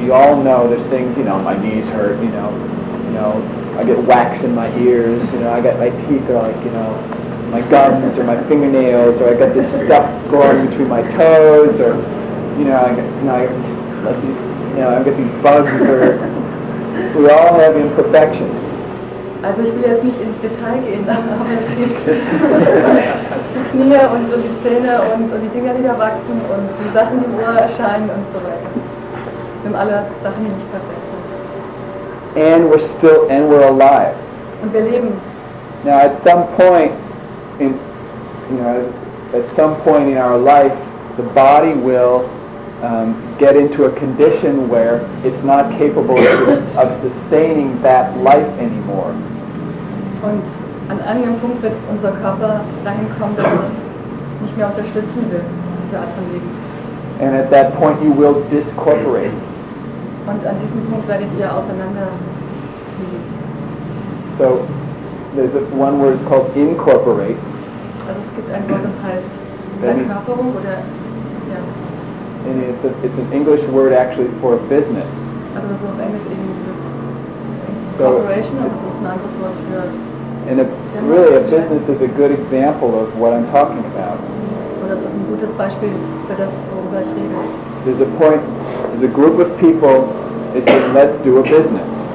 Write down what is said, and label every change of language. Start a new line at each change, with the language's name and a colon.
English: You all know there's things, you know, my knees hurt, you know, I get wax in my ears, you know, I got my teeth are like, you know, my gums or my fingernails, or I got this stuff growing between my toes, or, I've got these bugs, or we all have imperfections.
German: Also ich will jetzt nicht ins Detail gehen, aber es gibt die Knie und so die Zähne und so die Dinger, die da wachsen und die Sachen, die im Ohr erscheinen und so weiter. Wir haben alle Sachen, die nicht perfekt sind.
English: And we're alive.
German: Und wir leben.
English: Now at some point in our life, the body will get into a condition where it's not capable of sustaining that life anymore.
German: Und an einem Punkt wird unser Körper dahin kommen, dass es nicht mehr unterstützen will, diese Art von Leben.
English: And at that point you will discorporate.
German: Und an diesem Punkt werdet ihr auseinander fliegen.
English: So, there's one word called incorporate.
German: Also es gibt ein Wort, das heißt Verkörperung oder, ja.
English: And it's an English word actually for business.
German: Also das ist auf Englisch eben Corporation, also
English: it's not just what you're... And really, a business is a good example of what I'm talking about. There's a point, there's a group of people that say, let's do a business.